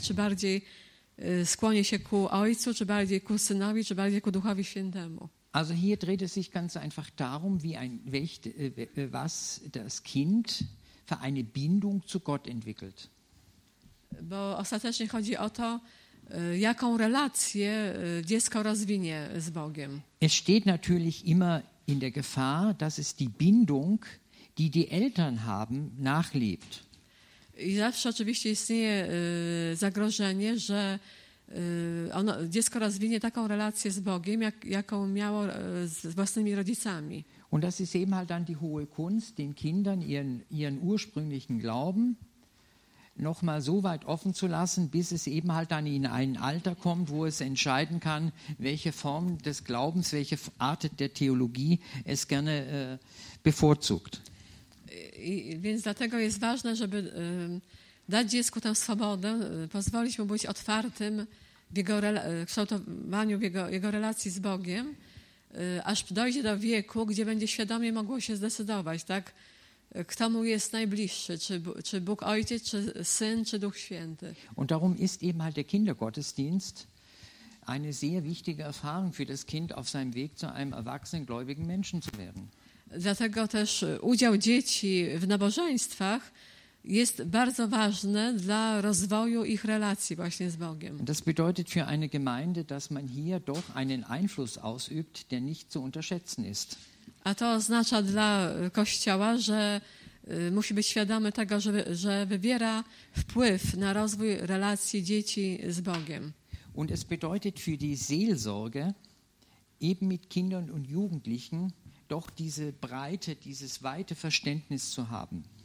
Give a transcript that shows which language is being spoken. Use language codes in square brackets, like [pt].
[pl] Czy bardziej skłonie się ku Ojcu, czy bardziej ku Synowi, czy bardziej ku Duchowi Świętemu. [de] Also hier dreht es sich ganz einfach darum, wie was das Kind für eine Bindung zu Gott entwickelt. [pl] Bo ostatecznie chodzi o to, jaką relację dziecko rozwinie z Bogiem. [de] Es steht natürlich immer in der Gefahr, dass es die Bindung, die die Eltern haben, nachlebt. [pl] I zawsze oczywiście istnieje zagrożenie, że ono, dziecko rozwinie taką relację z Bogiem, jaką miało z własnymi rodzicami. [de] Und das ist eben halt dann die hohe Kunst, den Kindern ihren ursprünglichen Glauben noch mal so weit offen zu lassen, bis es eben halt dann in ein Alter kommt, wo es entscheiden kann, welche Form des Glaubens, welche Art der Theologie es gerne bevorzugt. [pl] Więc dlatego jest ważne, żeby dać dziecku tę swobodę, pozwolić mu być otwartym w jego kształtowaniu w jego relacji z Bogiem, aż dojdzie do wieku, gdzie będzie świadomie mogło się zdecydować, tak? Kto mu jest najbliższy, czy Bóg Ojciec, czy Syn, czy Duch Święty. [de] Und darum ist eben halt der Kindergottesdienst eine sehr wichtige Erfahrung für das Kind auf seinem Weg zu einem erwachsenen, gläubigen Menschen zu werden. [pl] Dlatego też udział dzieci w nabożeństwach jest bardzo ważny dla rozwoju ich relacji właśnie z Bogiem. [de] Das bedeutet für eine Gemeinde, dass man hier doch einen Einfluss ausübt, der nicht zu unterschätzen ist. [pl] A to oznacza dla Kościoła, że musi być świadomy tego, że wywiera wpływ na rozwój relacji dzieci z Bogiem. [de] Und es bedeutet für die Seelsorge eben mit Kindern und Jugendlichen doch diese Breite, dieses weite Verständnis zu haben.